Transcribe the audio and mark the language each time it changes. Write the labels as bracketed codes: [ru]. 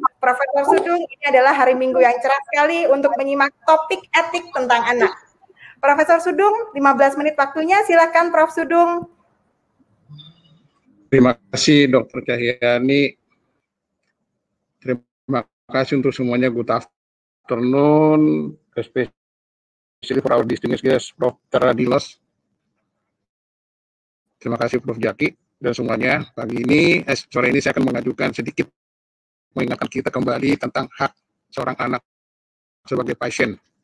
[id] Profesor Sudung, ini adalah hari Minggu yang cerah sekali untuk menyimak topik etik tentang anak. Profesor Sudung, 15 menit waktunya. Silakan, Prof. Sudung. Terima kasih Dr. Cahyani. Terima kasih untuk semuanya. [en] Good afternoon, especially for our distinguished guest, Prof. Radilas. [id] Terima kasih Prof. Jaki dan semuanya. Pagi ini, sore ini saya akan mengajukan sedikit mengingatkan kita kembali tentang hak seorang anak sebagai pasien.